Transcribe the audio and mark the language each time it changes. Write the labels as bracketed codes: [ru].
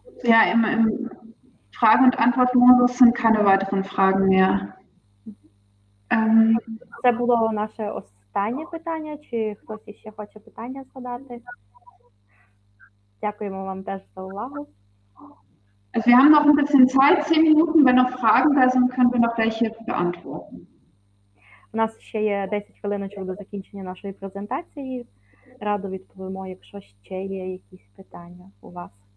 [de] Ja, im Frage- und Antwortmodus sind keine weiteren Fragen mehr. [uk] Це було наше останнє питання, чи хтось ще хоче питання задати? Дякуємо вам теж за увагу. [de] Also wir haben noch ein bisschen Zeit, 10 Minuten. Wenn noch Fragen da sind, können wir noch welche beantworten. [uk] У нас ще є 10 хвилиночок до закінчення нашої презентації. Радо відповімо, якщо ще є якісь питання у вас.